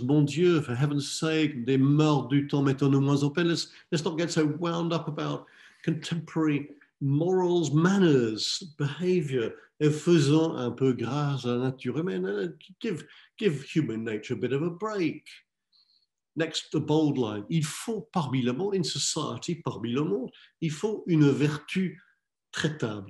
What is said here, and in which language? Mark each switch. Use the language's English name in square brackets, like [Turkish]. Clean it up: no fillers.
[French] Mon Dieu, [English] for heaven's sake, [French] des morts du temps, mettons-nous moins en peine. [English] Let's not get so wound up about contemporary morals, manners, behavior. [French] Et faisons un peu grâce à la nature humaine. [English] Give human nature a bit of a break. Next, the bold line. [French] Il faut parmi le monde, [English] in society, [French] parmi le monde, il faut une vertu traitable.